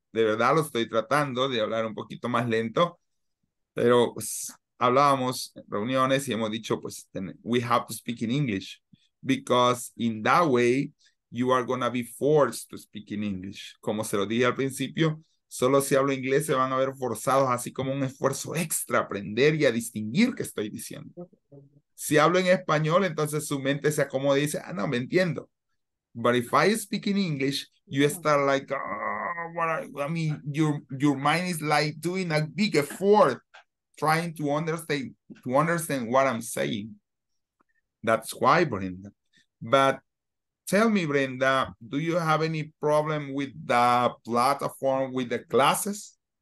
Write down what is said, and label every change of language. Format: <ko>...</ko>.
<es>De verdad, lo estoy tratando de hablar un poquito más lento. Pero pues, hablábamos en reuniones y hemos dicho, pues,</es> <en>we have to speak in English. Because in that way, you are going to be forced to speak in English.</en> <es>Como se lo dije al principio, solo si hablo inglés se van a ver forzados, así como un esfuerzo extra, a aprender y a distinguir qué estoy diciendo. Si hablo en español, entonces su mente se acomoda y dice, ah, no, me entiendo.</es> <en>But if I speak in English, you start like, oh, your mind is like doing a big effort trying to understand what I'm saying. That's why, Brenda. But tell me, Brenda, do you have any problem with the platform, with the classes?</en>